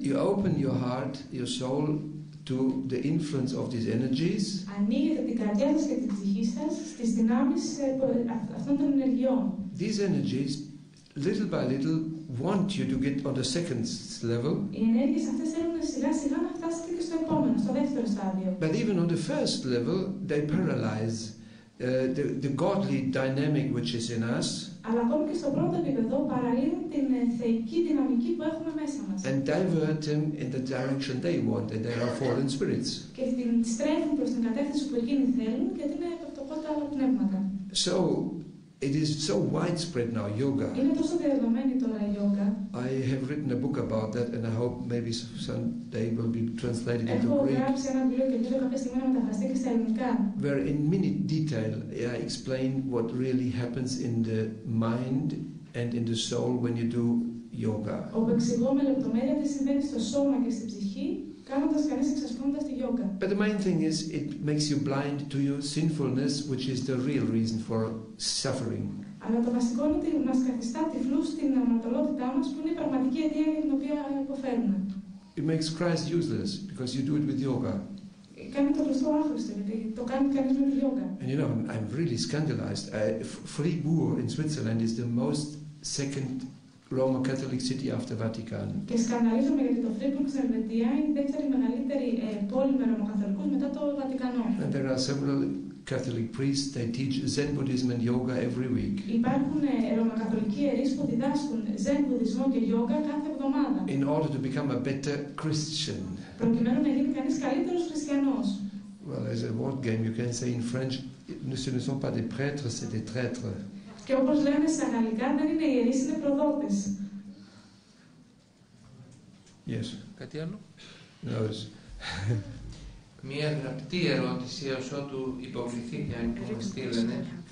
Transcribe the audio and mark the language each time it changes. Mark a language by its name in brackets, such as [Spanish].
[English] you open your heart, your soul, to the influence of these energies. [Greek] Ανοίγετε την καρδιά σας και την ψυχή σας στις δυνάμεις αυτών των ενεργειών. [English] These energies, little by little, want you to get on the second level. [Greek] Οι ενέργειες αυτές θέλουν σιγά σιγά να φτάσετε και στο επόμενο, στο δεύτερο στάδιο. [English] But even on the first level, they paralyze. the godly dynamic which is in us. [Greek] Αλλά ακόμη και στο πρώτο επίπεδο παραλύουν την θεϊκή δυναμική που έχουμε μέσα μας. [English] And divert them in the direction they want, and they are fallen spirits. [Greek] Και την στρέφουν προς την κατεύθυνση που εκείνοι θέλουν, γιατί είναι πρωτοκόλλητα άλλα πνεύματα. [English] So, it is so widespread now, yoga. [Greek] Είναι τόσο διαδεδομένη τώρα η yoga. [English] I have written a book about that, and I hope maybe someday will be translated into Greek. [Greek] Έχω γράψει ένα βιβλίο και ελπίζω κάποια στιγμή να μεταφραστεί και στα ελληνικά. [English] Where in minute detail I explain what really happens in the mind and in the soul when you do yoga. [Greek] Όπου εξηγώ με λεπτομέρεια τι συμβαίνει στο σώμα και στη ψυχή. [English] But the main thing is, it makes you blind to your sinfulness, which is the real reason for suffering. [Greek] Αλλά το βασικό είναι ότι μας καθιστά τυφλούς στην αμαρτωλότητά μας, που είναι η πραγματική αιτία για την οποία υποφέρουμε. [English] It makes Christ useless because you do it with yoga. [Greek] Κάνει τον Χριστό άχρηστο, γιατί το κάνει κανείς με τη yoga. [English] And you know, I'm really scandalized. Fribourg in Switzerland is the most second Roman Catholic city after Vatican. [Greek] Και σκανδαλίζομαι γιατί το Φρίμπουργκ στην Ελβετία είναι η δεύτερη μεγαλύτερη πόλη με Ρωμαϊκούς μετά το Βατικανό. [English] And there are several Catholic priests. They teach Zen Buddhism and yoga every week. [Greek] Υπάρχουν Ρωμαϊκοκαθολικοί ιερείς που διδάσκουν Zen Buddhism και yoga κάθε εβδομάδα. [English] In order to become a better Christian. [Greek] Προκειμένου να γίνει κανείς καλύτερος χριστιανός. [English] Well, as a word game, you can say in French, [French] ce ne sont pas des prêtres, c'est des traîtres. [Greek] Και όπως λένε στα γαλλικά, δεν είναι ιερείς, είναι προδότες. [English] Yes. [Greek] Κάτι άλλο? [English] No. [Greek] Μία γραπτή ερώτηση, ως ότου υποκριθήκε αν που μας στείλανε.